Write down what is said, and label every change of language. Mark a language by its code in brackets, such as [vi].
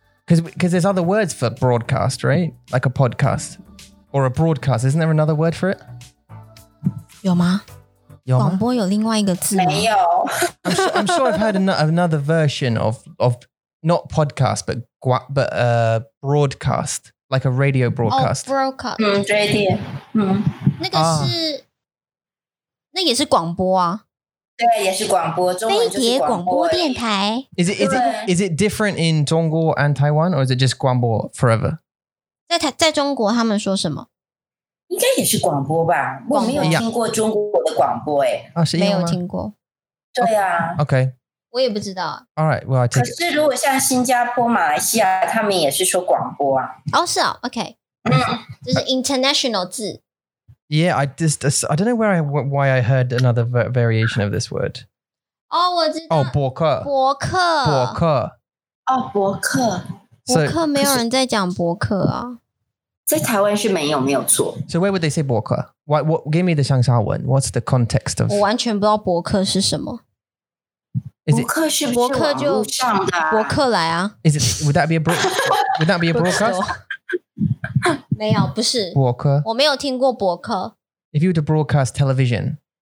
[en] Because there's other words for broadcast, right? Like a podcast. Or a broadcast. Isn't there another word for it? [zh] 有吗有吗广播有另外一个字吗没有 [en] I'm sure I've heard another version of not podcast, but broadcast, like a radio broadcast. Oh, broadcast. [zh] 嗯对对。那个是、啊、那也是广播啊。对也是广播中文就是广播。广播电台。 [en] Is it different in 中国 and Taiwan, or is it just 广播 forever? [zh] 在中国他们说什么应该也是广播吧我没有听过中国的广播、欸啊、是没有听过对啊、 [en] oh, OK [zh] 我也不知道 [en] All right, well, I take [zh] 可是如果像新加坡马来西亚他们也是说广播啊哦、oh, 是啊 OK 这是 international 字 [en] Yeah, I don't know where why I heard another variation of this word [zh] 哦、oh, 我知道哦博客博客博客哦博客博客没有人在讲博客啊在台湾是没有没有错。 [en] So where would they say 博客 what, give me the [zh] 上下文 [en] What's the context of [zh] 我完全不知道博客是什么 it, 博客是不是网络上的、啊、博客来啊 [en] Is it, Would that be a broadcast? would that be a broadcast? [zh] 没有不是博客我没有听过博客 [en] If you were to broadcast television